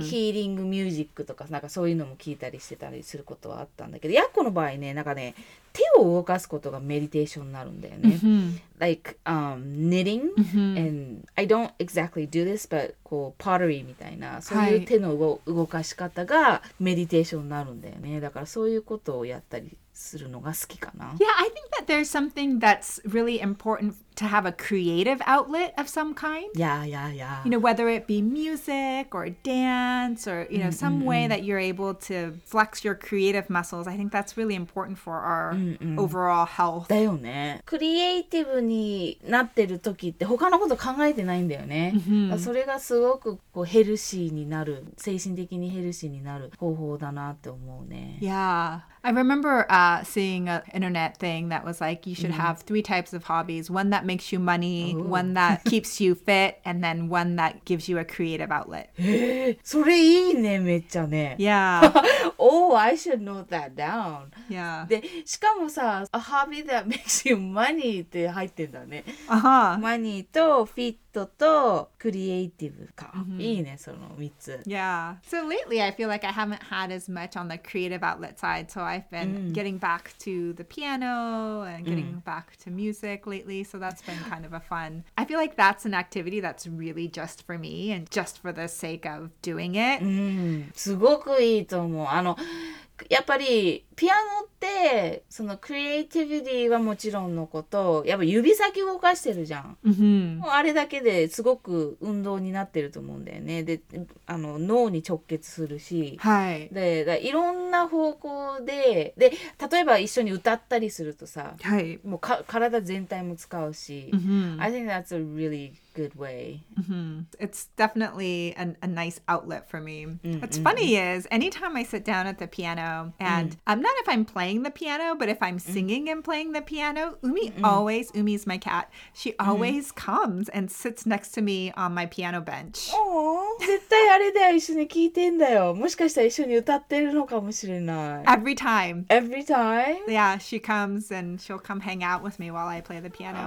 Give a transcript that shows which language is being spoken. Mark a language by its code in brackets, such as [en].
[ja] ヒーリングミュージックとかなんかそういうのも聞いたりしてたりすることはあったんだけど、ヤッコの場合ね、なんかね手を動かすことがメディテーションになるんだよね、うん、 [en] like knitting、 [ja] うん、 [en] and I don't exactly do this but [ja] こう pottery みたいなそういう手の、はい、動かし方がメディテーションになるんだよね、だからそういうことをやったりするのが好きかな。 [en] Yeah, I think that there's something that's really important to have a creative outlet of some kind. Yeah, yeah, yeah. You know, whether it be music or dance or, you know, some way that you're able to flex your creative muscles, I think that's really important for our overall health. [ja] だよね。クリエイティブになってる時って他のこと考えてないんだよね。 Mm-hmm. それがすごくこうヘルシーになる、精神的にヘルシーになる方法だなって思うね。 [en] Yeah. I remember seeing an internet thing that was like, you should have three types of hobbies. One that makes you money, one that keeps you fit, and then one that gives you a creative outlet. [ja] それいいね、めっちゃね。 [en] Yeah. Oh, I should note that down. Yeah. [ja] で、しかもさ、 [en] a hobby that makes you money [ja] って入ってんだね。 Uh-huh. Money と fit. とクリエイティブか、mm-hmm. いいねその3つ。 [en] Yeah. So lately I feel like I haven't had as much on the creative outlet side, so I've been getting back to the piano and getting back to music lately, so that's been kind of a fun. I feel like that's an activity that's really just for me and just for the sake of doing it. [ja] すごくいいと思う。あのやっぱりピアノってそのクリエイティビティはもちろんのこと、やっぱ指先動かしてるじゃん、 mm-hmm. もうあれだけですごく運動になってると思うんだよね。で、あの脳に直結するし、はい、でだいろんな方向で、で例えば一緒に歌ったりするとさ、はい、もうか体全体も使うし、 mm-hmm. [en] I think that's a really good way、 mm-hmm. It's definitely a nice outlet for me、mm-hmm. What's funny is anytime I sit down at the pianoAnd、mm. not if I'm playing the piano, but if I'm singing and playing the piano, Umi always, Umi's my cat, she always comes and sits next to me on my piano bench. Oh, [ja] 絶対あれだよ、一緒に聞いてんだよ。もしかしたら一緒に歌ってるのかもしれない。 [en] Every time. Every time? Yeah, she comes and she'll come hang out with me while I play the piano.